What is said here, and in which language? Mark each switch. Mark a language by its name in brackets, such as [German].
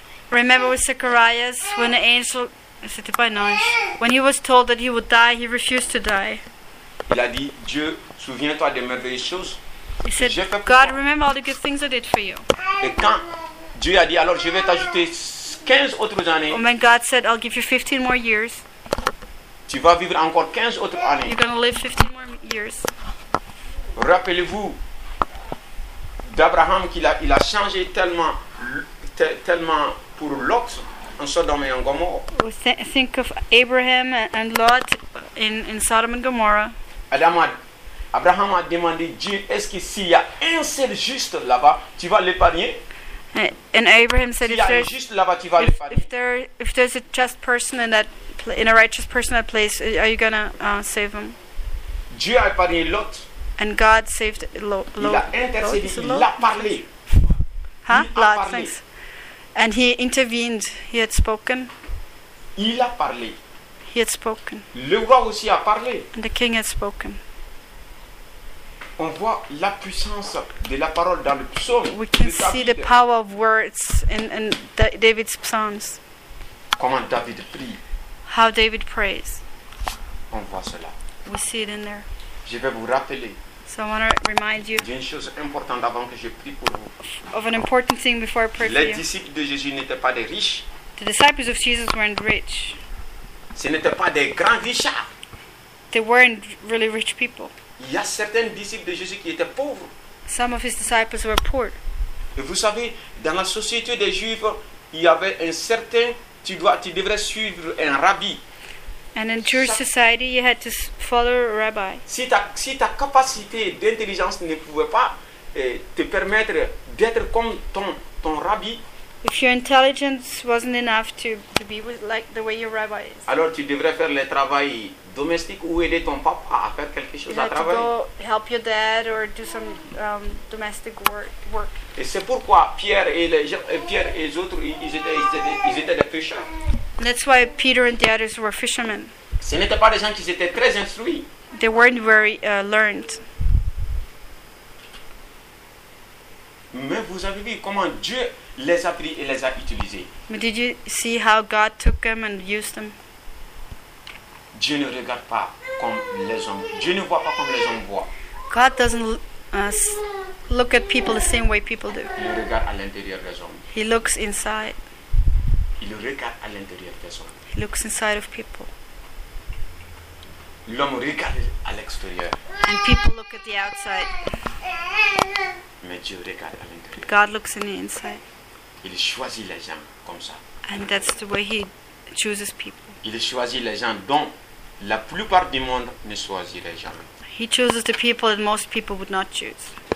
[English] Remember with Zacharias when the angel, [French] c'était pas un ange, [English] when he was told that he would die, he refused to die. [French] Il a dit, Dieu, souviens-toi des merveilleuses choses [English] he [French] que j'ai fait pour [English] God, [French] toi. [English] Remember all the good things I did for you. [French] Et quand Dieu a dit, alors je vais t'ajouter 15 autres années. [English] When God said, I'll give you 15 more years. [French] Tu vas vivre encore 15 autres années. [English] You're going to live 15 more years. [French] Rappelez-vous d'Abraham qu'il a changé tellement, tellement pour Lot en Sodome et en Gomorrah. [English] Think of Abraham and Lot in Sodom and Gomorrah. [French] Abraham a demandé Dieu, est-ce que s'il y a un seul juste là-bas, tu vas l'épargner? [English] And Abraham said, [French] s'il y a un juste là-bas, tu vas l'épargner. [English] If there's a just person in a righteous person at place, are you gonna save him? [French] Dieu a épargné Lot. [English] And God saved Lot. [French] Il a intercédé, il a parlé. [English] Huh? Lot, thanks. And he intervened. He had spoken. [French] Il a parlé. [English] He had spoken. [French] Le roi aussi a parlé. [English] And the king had spoken. [French] On voit la puissance de la parole dans le psaume. [English] We can see the power of words in David's psalms. [French] Comment David prie. [English] How David prays. [French] On voit cela. [English] We see it in there. [French] Je vais vous rappeler. [English] So I want to remind you. [French] D'une chose importante avant que je prie pour vous. [English] Of an important thing before I pray [French] Les [English] for you. [French] Les disciples de Jésus n'étaient pas des riches. [English] The disciples of Jesus weren't rich. [French] Ce n'étaient pas des grands riches. [English] They weren't really rich people. [French] Il y a certains disciples de Jésus qui étaient pauvres. [English] Some of his disciples were poor. [French] Et vous savez, dans la société des Juifs, il y avait un certain, tu devrais suivre un rabbi. [English] And in Jewish society, you had to follow a rabbi. [French] Si ta capacité d'intelligence ne pouvait pas te permettre d'être comme ton rabbi. [English] If your intelligence wasn't enough to be with, like the way your rabbi is. [French] Alors tu devrais faire le travail domestique ou aider ton papa à faire quelque chose [English] you [French] à travailler. [English] You had to go help your dad or do some domestic work. [French] Et c'est pourquoi Pierre et les autres étaient des pêcheurs. [English] And that's why Peter and the others were fishermen. [French] Ce n'étaient pas des gens qui étaient très instruits. [English] They weren't very learned. [French] Mais vous avez vu comment Dieu les a pris et les a utilisés. [English] But did you see how God took them and used them? [French] Dieu ne regarde pas comme les hommes. Dieu ne voit pas comme les hommes voient. [English] God doesn't look at people the same way people do. [French] Il regarde à l'intérieur des hommes. [English] He looks inside. [French] Il regarde à l'intérieur des hommes. [English] He looks inside of people. [French] L'homme regarde à l'extérieur. [English] And people look at the outside. [French] Mais Dieu regarde à l'intérieur. [English] God looks in the inside. [French] Il choisit les gens comme ça. [English] And that's the way he chooses people. [French] Il choisit les gens dont la plupart du monde ne choisirait jamais. [English] He chooses the people that most people would not choose.